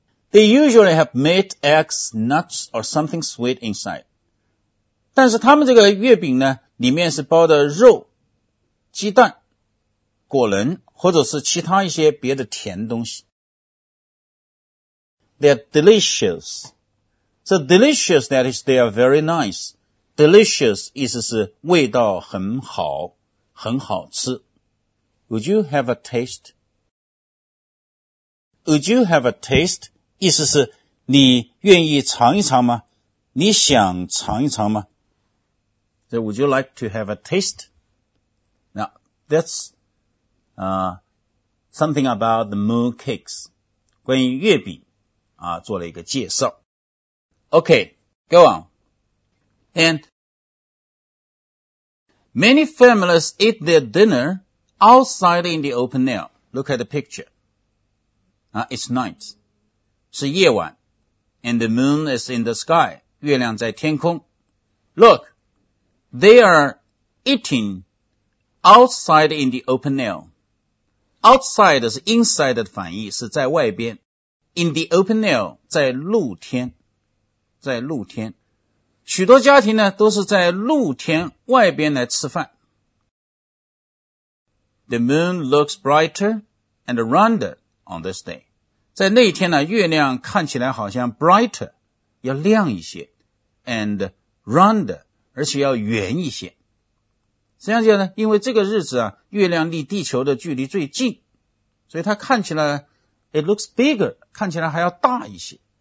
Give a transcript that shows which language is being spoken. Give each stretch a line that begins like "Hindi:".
English: They usually have meat, eggs, nuts, or something sweet inside.
Chinese: 但是他们这个月饼呢，里面是包的肉、鸡蛋、果仁，或者是其他一些别的甜东西。
English: They are delicious. So delicious, that is, they are very nice.
Chinese: Delicious 意思是味道很好，很好吃。
English: Would you have a taste? Would you have a taste?
Chinese: 意思是你愿意尝一尝吗？你想尝一尝吗？
English: So would you like to have a taste? Now, that's something about the moon cakes.
Chinese: 关于月饼啊，做了一个介绍。
English: Okay, go on. And many families eat their dinner outside in the open air. Look at the picture. It's night.
Chinese: 是夜晚
English: and the moon is in the sky,
Chinese: 月亮在天空。
English: Look, they are eating outside in the open air.
Chinese: Outside 是 inside 的反义，是在外边。
English: In the open air
Chinese: 在露天，在露天。许多家庭呢都是在露天外边来吃饭。
English: The moon looks brighter and rounder on this day.
Chinese: 在那一天呢，月亮看起来好像 brighter, 要亮一些 ,
English: and rounder,
Chinese: 而且要圆一些。实际上讲呢，因为这个日子啊，月亮离地球的距离最近，所以它看起来 ,
English: it looks bigger,
Chinese: 看起来还要大一些。